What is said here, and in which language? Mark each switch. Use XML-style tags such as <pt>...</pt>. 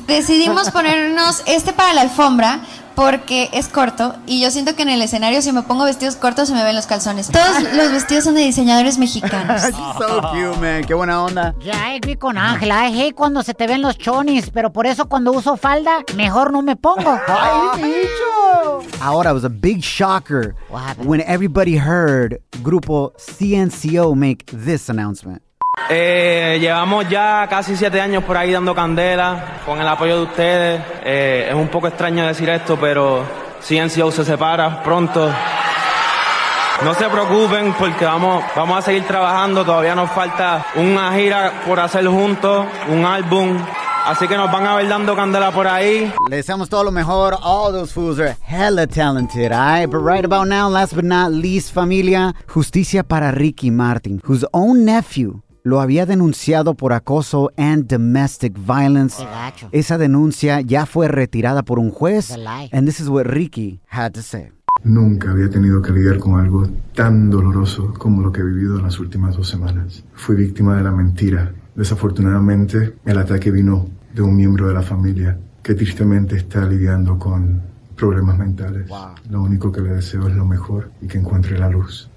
<es>Decidimos ponernos este para la alfombra porque es corto y yo siento que en el escenario si me pongo vestidos cortos se me ven los calzones. Todos los vestidos son de diseñadores mexicanos.</es> <en>So cute, man.</en> <es>Qué buena onda. Ya, vi con Ángela. Ay, hey, cuando se te ven los chonis, pero por eso cuando uso falda, mejor no me pongo. ¡Ay, bicho! Ahora,</es> <en>it was a big shocker when everybody heard Grupo CNCO make this announcement.</en> <es>Llevamos ya casi 7 años por ahí dando candela con el apoyo de ustedes. Es un poco extraño decir esto, pero CNCO se separa pronto. No se preocupen porque vamos a seguir trabajando. Todavía nos falta una gira por hacer juntos, un álbum. Así que nos van a ver dando candela por ahí. Le deseamos todo lo mejor.</es> <en>All those fools are hella talented, right? But right about now, last but not least, familia, justicia para Ricky Martin, whose own nephew</en> <es>lo había denunciado por acoso</es> <en>and domestic violence.</en> <es>Esa denuncia ya fue retirada por un juez.</es> <en>And this is what Ricky had to say.</en> <es>Nunca había tenido que lidiar con algo tan doloroso como lo que he vivido en las últimas 2 semanas. Fui víctima de la mentira. Desafortunadamente, el ataque vino de un miembro de la familia que tristemente está lidiando con problemas mentales.</es> <en>Wow.</en> <es>Lo único que le deseo es lo mejor y que encuentre la luz.</es>